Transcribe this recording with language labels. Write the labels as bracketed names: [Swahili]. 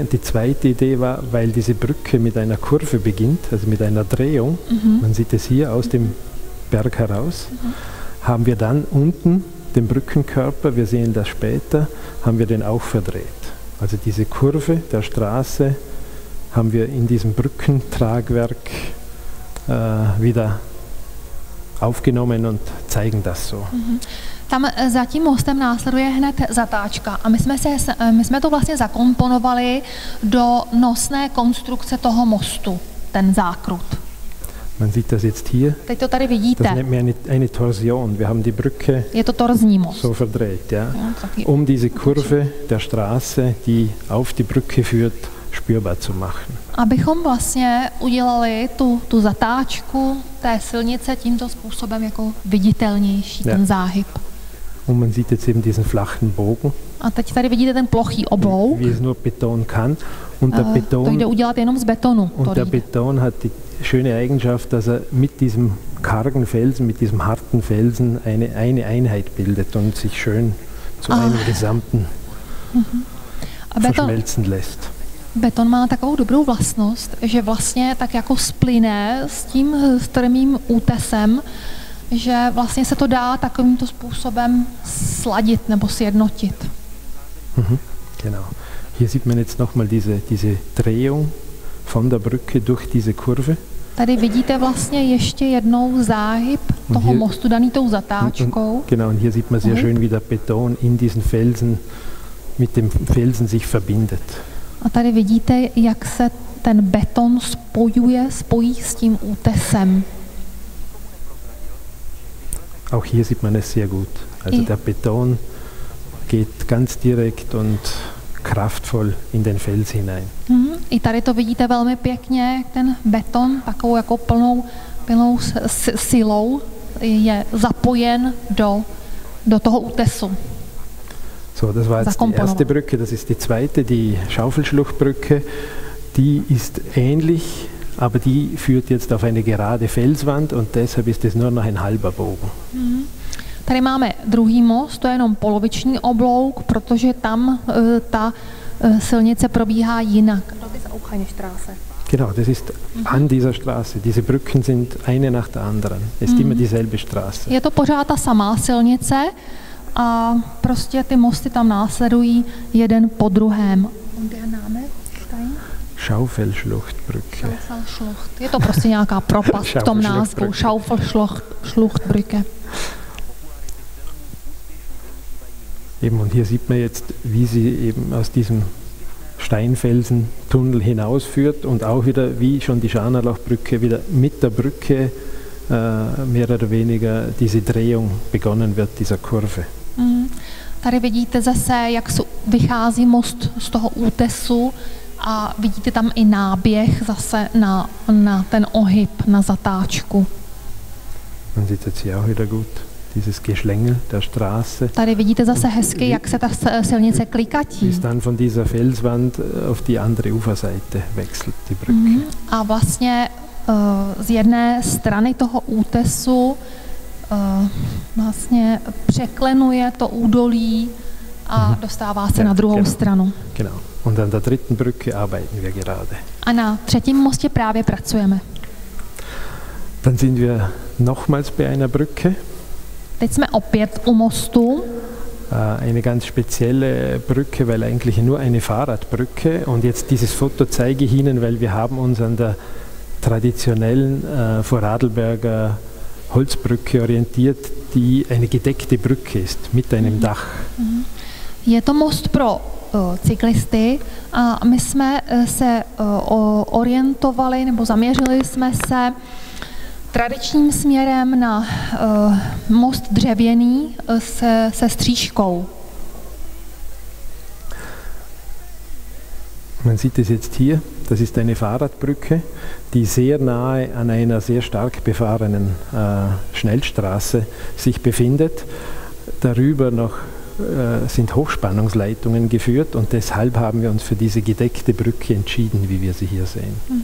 [German] Und die zweite Idee war, weil diese Brücke mit einer Kurve beginnt, also mit einer Drehung, man sieht es hier aus dem Berg heraus, haben wir dann unten den Brückenkörper, wir sehen das später, haben wir den auch verdreht. Also diese Kurve der Straße haben wir in diesem Brückentragwerk wieder aufgenommen und zeigen das so. [Czech] Tam za tím mostem následuje hned zatáčka a my jsme to vlastně zakomponovali do nosné konstrukce toho mostu, ten zákrut. [German] Man sieht das jetzt hier. [Czech] Teď to tady vidíte. [German] Das nennt man eine Torsion. Wir haben die Brücke. [Czech] Je to torzní most. [German] So verdreht, ja. Um diese Kurve der Straße, die auf die Brücke führt, spürbar zu machen. [Czech] Abychom vlastně udělali tu zatáčku té silnice tímto způsobem jako viditelnější ten záhyb. [German] Und man sieht jetzt eben diesen flachen Bogen. [Czech] A teď tady vidíte ten plochý oblouk. [German] Wie es nur Beton kann. Und der Beton, [Czech] to jde udělat jenom z betonu. [German] Und der Beton hat die schöne Eigenschaft, dass er mit diesem kargen Felsen, mit diesem harten Felsen eine Einheit bildet und sich schön zu einem Gesamten verschmelzen lässt. [Czech] Beton má takovou dobrou vlastnost, že vlastně tak jako splyne s tím strmým útesem, že vlastně se to dá takovýmto způsobem sladit nebo sjednotit. [German] Genau. Hier sieht man jetzt nochmal diese Drehung von der Brücke durch diese Kurve. [Czech] Tady vidíte vlastně ještě jednou záhyb toho [German] hier, [Czech] mostu daný tou zatáčkou. [German] Genau, und hier sieht man sehr schön, wie der Beton in diesen Felsen mit dem Felsen sich verbindet. [Czech] A tady vidíte, jak se ten beton spojí s tím útesem. [German] Auch hier sieht man es sehr gut. Also der Beton geht ganz direkt und kraftvoll in den Fels hinein. [Czech] I tady to vidíte velmi pěkně, ten beton takovou jako plnou silou je zapojen do toho útesu. [German] So, das war jetzt die erste Brücke, das ist die zweite, die Schaufelschluchtbrücke. Die ist ähnlich, aber die führt jetzt auf eine gerade Felswand und deshalb ist es nur noch ein halber Bogen. [Czech] Tady máme druhý most, to je jenom poloviční oblouk, protože tam ta silnice probíhá jinak. [German] Genau, das ist an dieser Straße. Diese Brücken sind eine nach der anderen. Es ist immer dieselbe Straße. [Czech] Je to pořád ta samá silnice. A prostě ty mosty tam následují jeden po druhém. [German] Und der Name Stein? Schaufelschluchtbrücke. [Czech] Je to prostě nějaká propast v tom názvu. [German] Schaufelschluchtbrücke. Eben, und hier sieht man jetzt, wie sie eben aus diesem Steinfelsentunnel hinausführt und auch wieder, wie schon die Scharnerlochbrücke, wieder mit der Brücke mehr oder weniger diese Drehung begonnen wird, dieser Kurve. [Czech] Tady vidíte zase, jak vychází most z toho útesu a vidíte tam i náběh zase na ten ohyb, na zatáčku. [German] Man sieht jetzt hier auch wieder gut dieses Geschlängel der Straße. [Czech] Tady vidíte zase hezky, jak se ta silnice klikatí. [German] Ist dann von dieser Felswand auf die andere Uferseite wechselt die Brücke. [Czech] A vlastně z jedné strany toho útesu vlastně překlenuje to údolí a dostává se na druhou stranu. [German] Genau. Und an der dritten Brücke arbeiten wir gerade. [Czech] A na třetím mostě právě pracujeme. [German] Dann sind wir nochmals bei einer Brücke. [Czech] Teď jsme opět u mostu. [German] Eine ganz spezielle Brücke, weil eigentlich nur eine Fahrradbrücke. Und jetzt dieses Foto zeige ich Ihnen, weil wir haben uns an der traditionellen Vorarlberger Holzbrücke orientiert, die eine gedeckte Brücke ist mit einem Dach. [Czech] Je to most pro cyklisty a my jsme se orientovali nebo zaměřili jsme se tradičním směrem na most dřevěný se stříškou. [German] Man sieht es jetzt hier, das ist eine Fahrradbrücke, die sehr nahe an einer sehr stark befahrenen Schnellstraße sich befindet. Darüber noch sind Hochspannungsleitungen geführt und deshalb haben wir uns für diese gedeckte Brücke entschieden, wie wir sie hier sehen.